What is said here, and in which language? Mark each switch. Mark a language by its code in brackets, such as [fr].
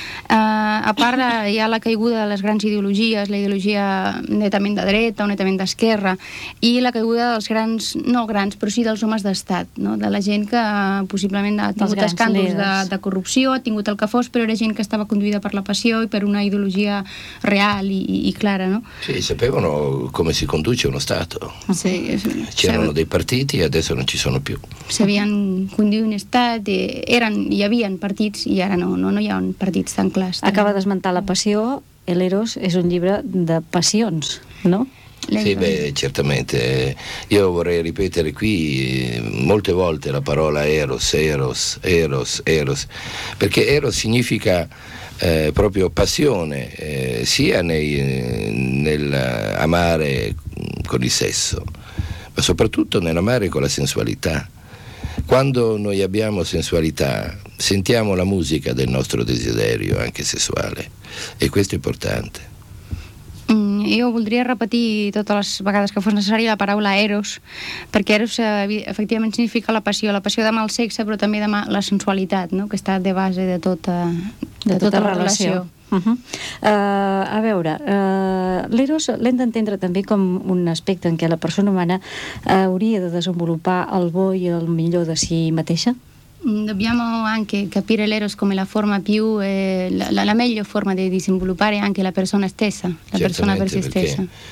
[ca] A part, hi ha la caiguda de les grans ideologies, la ideologia netament de dreta o netament d'esquerra, i la caiguda dels grans, no grans, però sí dels homes d'estat, no? De la gent que possiblement ha tingut escàndols de corrupció, ha tingut el que fos, però era gent que estava conduïda per la passió i per una ideologia real i clara, no? [it] Sì, sapevano come si conduce uno Stato. Sì. C'erano dei partiti e adesso non ci sono più. [ca] S'havien conduït un Estat, hi havia partits i ara no hi ha partits tan clars. Acaba d'esmentar la passió, l'Eros és un llibre de passions, no? [it] Sì, beh, certamente. Io vorrei ripetere qui molte volte la parola Eros, Eros, Eros, Eros, perché Eros significa proprio passione, sia nel amare con il sesso, ma soprattutto nell'amare con la sensualità. Quando noi abbiamo sensualità, sentiamo la musica del nostro desiderio, anche sessuale, e questo è importante. [ca] Jo voldria repetir totes les vegades que fos necessari la paraula Eros, perquè Eros efectivament significa la passió de mal sexe, però també de la sensualitat, no? Que està de base de tota relació. A veure, l'Eros l'hem d'entendre també com un aspecte en què la persona humana hauria de desenvolupar el bo i el millor de si mateixa? [it] Dobbiamo anche capire l'eros come la forma più la meglio forma di sviluppare anche la persona stessa, la persona per se stessa.